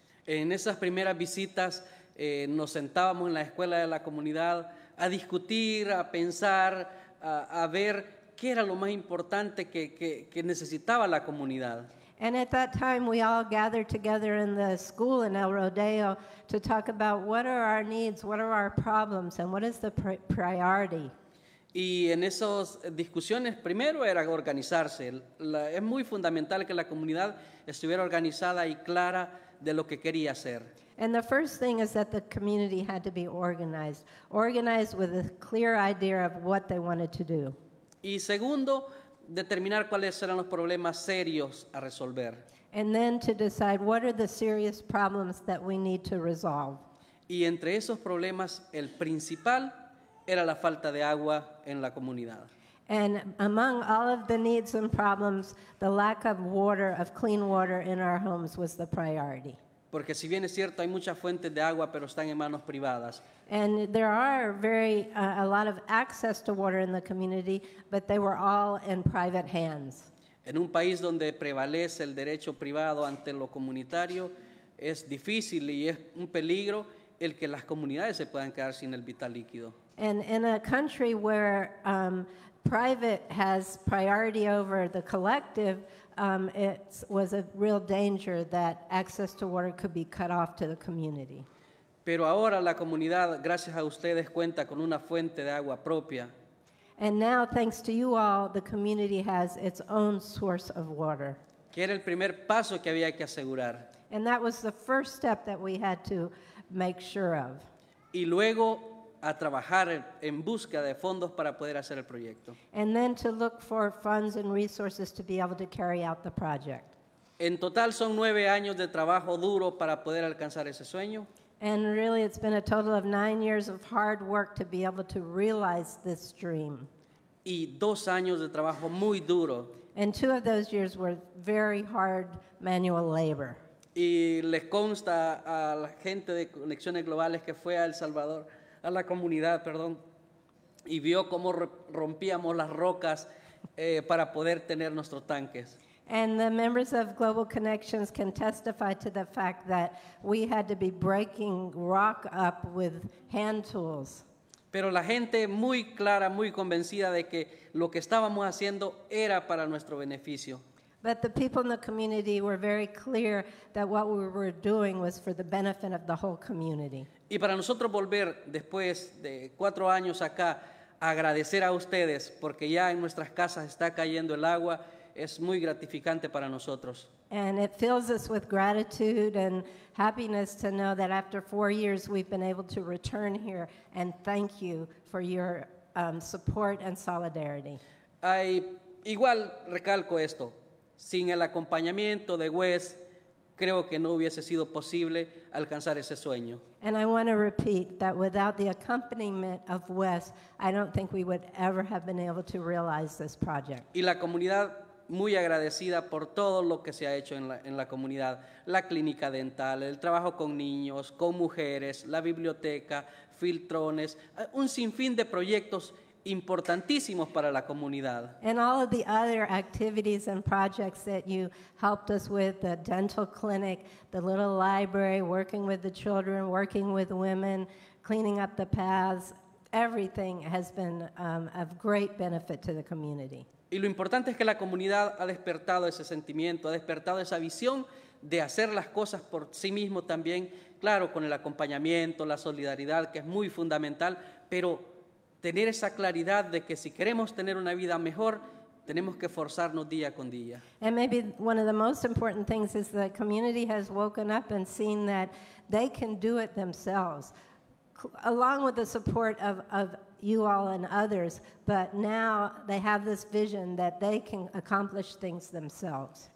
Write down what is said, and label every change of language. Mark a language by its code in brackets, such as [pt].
[es] En esas primeras visitas, nos sentábamos en la escuela de la comunidad a discutir, a pensar, a ver qué era lo más importante que necesitaba la comunidad. [en] And at that time, we all gathered together in the school in El Rodeo to talk about what are our needs, what are our problems, and what is the priority. [es] Y en esas discusiones, primero era organizarse. Es muy fundamental que la comunidad estuviera organizada y clara de lo que quería hacer. [en] And the first thing is that the community had to be organized, organized with a clear idea of what they wanted to do. [es] Y segundo, determinar cuáles eran los problemas serios a resolver. [en] And then to decide what are the serious problems that we need to resolve. [es] Y entre esos problemas, el principal era la falta de agua en la comunidad. [en] And among all of the needs and problems, the lack of water, of clean water in our homes was the priority. [es] Porque si bien es cierto, hay muchas fuentes de agua, pero están en manos privadas. [en] And there are a lot of access to water in the community, but they were all in private hands. [es] En un país donde prevalece el derecho privado ante lo comunitario, es difícil y es un peligro el que las comunidades se puedan quedar sin el vital líquido. [en] And in a country where private has priority over the collective, it was a real danger that access to water could be cut off to the community. [es] Pero ahora la comunidad, gracias a ustedes, cuenta con una fuente de agua propia. [en] And now, thanks to you all, the community has its own source of water. [es] Que era el primer paso que había que asegurar. [en] And that was the first step that we had to make sure of. [es] Y luego, a trabajar en busca de fondos para poder hacer el proyecto. [en] And then to look for funds and resources to be able to carry out the project. [es] En total, son 9 años de trabajo duro para poder alcanzar ese sueño. [en] And really, it's been a total of 9 years of hard work to be able to realize this dream. [es] Y 2 años de trabajo muy duro. [en] And 2 of those years were very hard manual labor. [es] Y les consta a la gente de Conexiones Globales que fue a El Salvador, a la comunidad, perdón, y vio cómo rompíamos las rocas para poder tener nuestros tanques. [en] And the members of Global Connections can testify to the fact that we had to be breaking rock up with hand tools. [es] Pero la gente muy clara, muy convencida de que lo que estábamos haciendo era para nuestro beneficio. [en] But the people in the community were very clear that what we were doing was for the benefit of the whole community. [es] Y para nosotros volver después de 4 años acá, agradecer a ustedes porque ya en nuestras casas está cayendo el agua, es muy gratificante para nosotros. [en] And it fills us with gratitude and happiness to know that after 4 years, we've been able to return here. And thank you for your support and solidarity. [es] Igual recalco esto. Sin el acompañamiento de Wes, creo que no hubiese sido posible alcanzar ese sueño. [en] And I want to repeat that without the accompaniment of Wes, I don't think we would ever have been able to realize this project. [es] Y la comunidad muy agradecida por todo lo que se ha hecho en la comunidad. La clínica dental, el trabajo con niños, con mujeres, la biblioteca, filtrones, un sinfín de proyectos importantísimos para la comunidad. [en] And all of the other activities and projects that you helped us with, the dental clinic, the little library, working with the children, working with women, cleaning up the paths, everything has been of great benefit to the community. [es] Y lo importante es que la comunidad ha despertado ese sentimiento, ha despertado esa visión de hacer las cosas por sí mismo también, claro, con el acompañamiento, la solidaridad, que es muy fundamental, pero tener esa claridad de que si queremos tener una vida mejor, tenemos que forzarnos día con día. [en] And maybe one of the most important things is the community has woken up and seen that they can do it themselves, along with the support of you all and others, but now they have this vision that they can accomplish things themselves.